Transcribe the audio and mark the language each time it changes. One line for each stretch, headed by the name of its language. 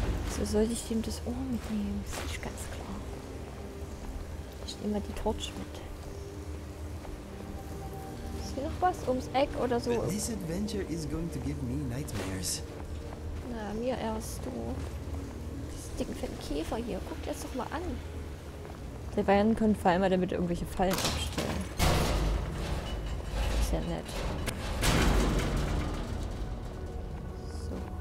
German: So sollte ich dem das Ohr mitnehmen? Das ist nicht ganz klar. Ich nehme mal die Torch mit. Ist hier noch was? Ums Eck oder so?
English: This adventure is going to give me nightmares.
German: Na, mir erst, du. Das ist ein fetter Käfer hier. Guck dir das doch mal an. Der Bayern können vor allem damit irgendwelche Fallen abstellen. Ist ja nett. So.